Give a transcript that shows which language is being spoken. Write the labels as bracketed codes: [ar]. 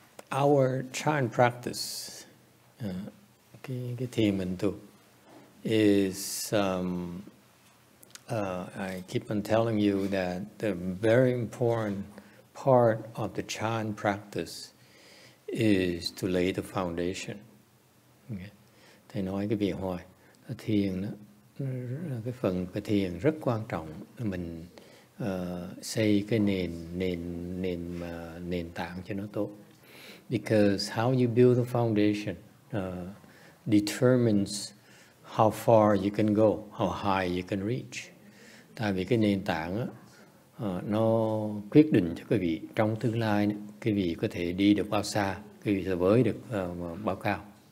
[en] Our chan practice, [vi] cái thiền mình tu, [en] I keep on telling you that the very important part of the chan practice is to lay the foundation. Okay. [vi] Thầy nói cái việc hỏi, thiền đó, cái phần cái thiền rất quan trọng, mình xây cái nền tảng cho nó tốt. [en] Because how you build the foundation determines how far you can go, how high you can reach. [vi] Tại vì cái nền tảng á, nó quyết định cho quý vị trong tương lai, quý vị có thể đi được bao xa, quý vị sẽ với được bao cao.